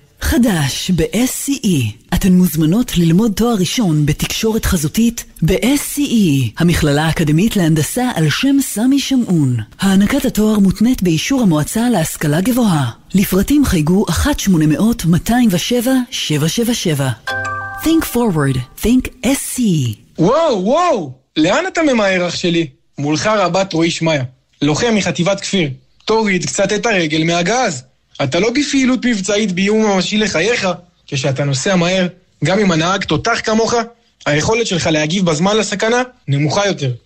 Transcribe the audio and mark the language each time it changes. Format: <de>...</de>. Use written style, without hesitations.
<he>חדש ב-SCE. אתן מוזמנות ללמוד תואר ראשון בתקשורת חזותית ב-SCE, המכללה האקדמית להנדסה על שם סמי שמעון. הענקת התואר מותנית באישור המועצה להשכלה גבוהה. לפרטים חייגו 1-800-207-777.</he> <en>Think forward, think SCE.</en> <he>וואו, לאן אתה ממהר אח שלי? מולך רבת רועי שמיה, לוחם מחטיבת כפיר. תוריד קצת את הרגל מהגז. אתה לא בפעילות מבצעית ביום ממשי לחייך. כשאתה נוסע מהר, גם אם הנהג תותח כמוך, היכולת שלך להגיב בזמן לסכנה נמוכה יותר.</he>